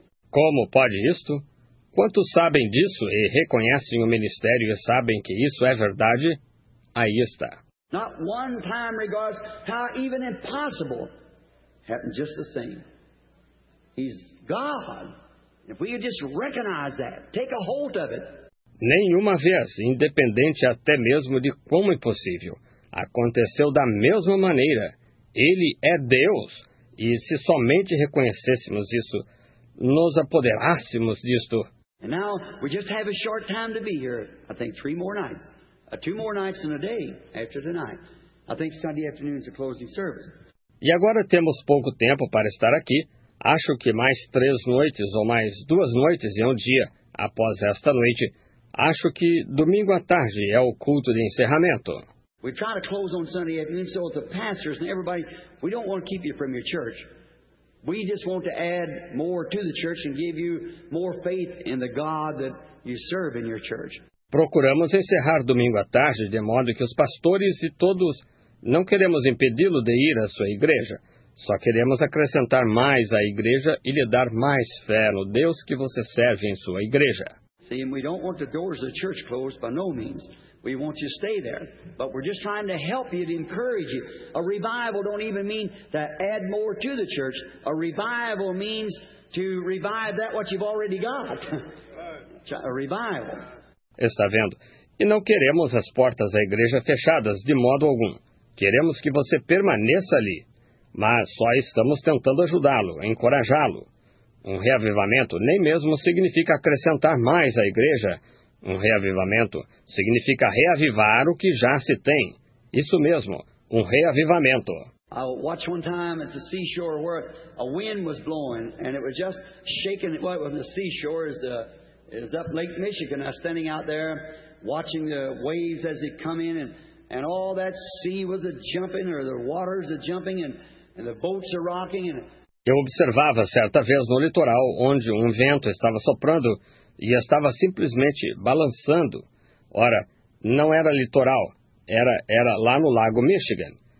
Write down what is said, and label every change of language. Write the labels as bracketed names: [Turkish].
[Portuguese] Como pode isto? Quantos sabem disso e reconhecem o ministério e sabem que isso é verdade? Aí está. [English] Not one time regards how even impossible happened just the same. He's God. If we could just recognize that, take a hold of it. [Portuguese] Nenhuma vez, independente até mesmo de como impossível, aconteceu da mesma maneira. Ele é Deus, e se somente reconhecêssemos isso, nos apoderássemos disto. [English] And now we just have a short time to be here. I think three more nights, two more nights and a day after tonight. I think Sunday afternoon is the closing service. [Portuguese] E agora temos pouco tempo para estar aqui. Acho que mais três noites ou mais duas noites e um dia após esta noite. Acho que domingo à tarde é o culto de encerramento. [English] We try to close on Sunday evening, so the pastors and everybody, we don't want to keep you from your church. We just want to add more to the church and give you more faith in the God that you serve in your church. [Portuguese] Procuramos encerrar domingo à tarde, de modo que os pastores e todos, não queremos impedi-lo de ir à sua igreja. Só queremos acrescentar mais à igreja e lhe dar mais fé no Deus que você serve em sua igreja. [English] See, and we don't want the doors of the church closed by no means. We want you to stay there. But we're just trying to help you, to encourage you. A revival don't even mean to add more to the church. A revival means to revive that what you've already got. A revival. [Portuguese] Está vendo? E não queremos as portas da igreja fechadas de modo algum. Queremos que você permaneça ali. Mas só estamos tentando ajudá-lo, encorajá-lo. Um reavivamento nem mesmo significa acrescentar mais à igreja. Um reavivamento significa reavivar o que já se tem. Isso mesmo, um reavivamento. [English] I watched one time at the seashore where a wind was blowing and it was just shaking. Well, it was the seashore is up Lake Michigan. I was standing out there watching the waves as they come in and all that sea was a jumping or the waters are jumping and the boats are rocking and [Portuguese] eu observava certa vez no litoral onde um vento estava soprando e estava simplesmente balançando. Ora, não era litoral, era lá no Lago Michigan.